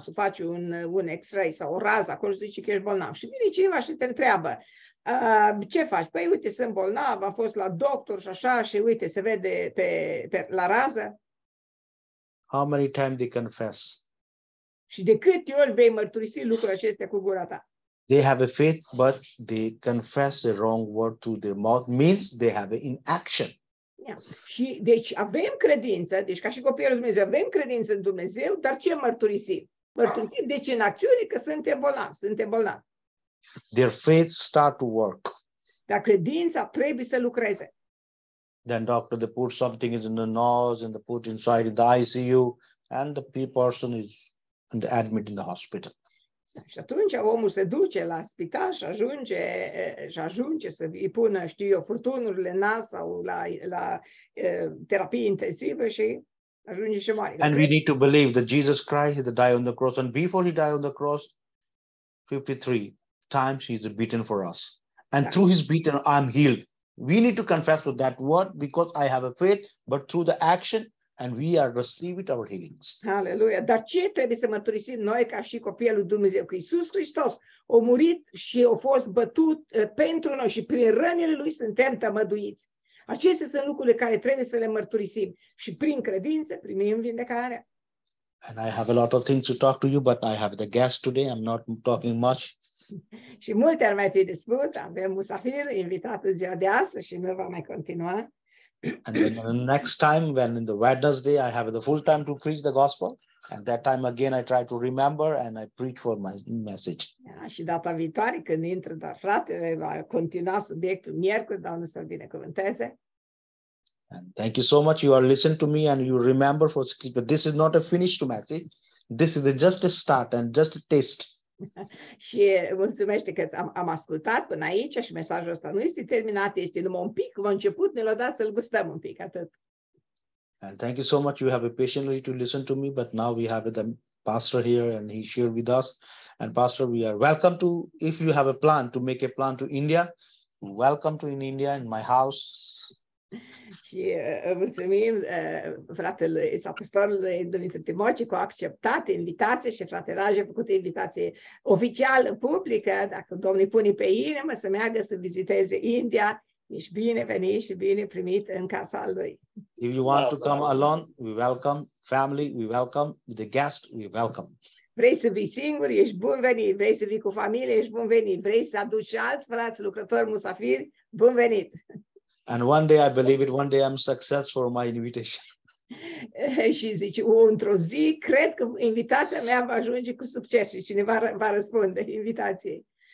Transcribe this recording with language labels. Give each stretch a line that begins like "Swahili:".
Romanian: Să faci un X-ray sau o rază acolo și zice că ești bolnav. Și vine cineva și te întreabă. Ce faci? Păi uite, sunt bolnav, am fost la doctor și așa și uite, se vede pe la rază.
English: How many times they confess?
Romanian: Și de câte ori vei mărturisi lucrurile acestea cu gura ta?
English: They have a faith, but they confess the wrong word to their mouth, means they have it in action. Yeah.
Romanian: Și deci avem credință, deci ca și copiii lui Dumnezeu, avem credință în Dumnezeu, dar ce mărturisim? Mărturisim, deci în acțiune că suntem bolnavi.
English: Their faith start to work.
Romanian: Dar credința trebuie să lucreze.
English: Then doctor, they put something in the nose and they put inside the ICU and the person is admitted in the hospital.
Romanian: Și atunci omul se duce la spital și ajunge să îi pună, știu eu, furtunurile în nas sau la terapie intensivă și ajunge și moare.
English: And we need to believe that Jesus Christ is to die on the cross and before he died on the cross, 53. Times he is beaten for us. And da. Through his beaten, I am healed. We need to confess to that word because I have a faith, but through the action and we are receiving our healings. Hallelujah.
Romanian: Dar ce trebuie să mărturisim noi ca și copiii lui Dumnezeu? Că Iisus Hristos a murit și a fost bătut pentru noi și prin rănile lui suntem tămăduiți. Acestea sunt lucrurile care trebuie să le mărturisim și prin credință primim vindecarea.
English: And I have a lot of things to talk to you, but I have the guest today. I'm not talking much.
Romanian: Și multe ar mai fi de spus, avem musafir invitat în ziua de astăzi și nu va mai continua.
English: And then the next time, when in the Wednesday, I have the full time to preach the gospel. And that time again, I try to remember and I preach for my message.
Romanian: Și data viitoare, când intră, dar fratele va continua subiectul miercuri, Doamne să-l binecuvânteze.
English: And thank you so much. You are listening to me and you remember for speaker. This is not a finished message. This is just a start and just a taste.
Romanian: Și mulțumește că am ascultat până aici și mesajul ăsta nu este terminat, este numai un pic, v-a început, ne l-a dat să-l gustăm un pic, atât.
English: And thank you so much. You have a patiently to listen to me, but now we have the pastor here and he shared with us. And pastor, we are welcome to, if you have a plan to make a plan to India, welcome to in India in my house.
Romanian: Și mulțumim fratelui sau pastorului Dumitru Timoci că a acceptat invitația și fratele Raj a făcut invitație oficială, publică, dacă Domnul îi pune pe inimă să meargă să viziteze India, ești binevenit și bine primit în casa lui.
English: If you want to come alone, we welcome family, we welcome the guest, we welcome.
Romanian: Vrei să vii singur, ești bun venit. Vrei să vii cu familie, ești bun venit. Vrei să aduci alți frați, lucrători, musafiri, bun venit.
English: And one day I believe it, one day I'm successful for my invitation.
Romanian: Și zice, într-o zi, cred că invitația mea va ajunge cu succes și cineva va răspunde invitației.